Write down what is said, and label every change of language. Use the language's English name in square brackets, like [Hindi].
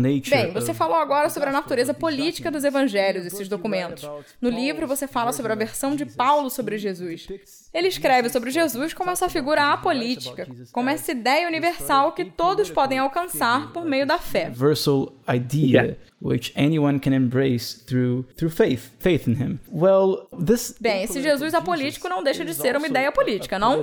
[Portuguese] Bem, você falou agora sobre a natureza política dos evangelhos, esses documentos. No livro, você fala sobre a versão de Paulo sobre Jesus. Ele escreve sobre Jesus como essa figura apolítica, como essa ideia universal que todos podem alcançar por meio da fé. [English] Universal idea, yeah, which anyone can embrace through faith, faith in him. Well, this. [Portuguese] Bem, esse Jesus apolítico não deixa de ser uma ideia política, não?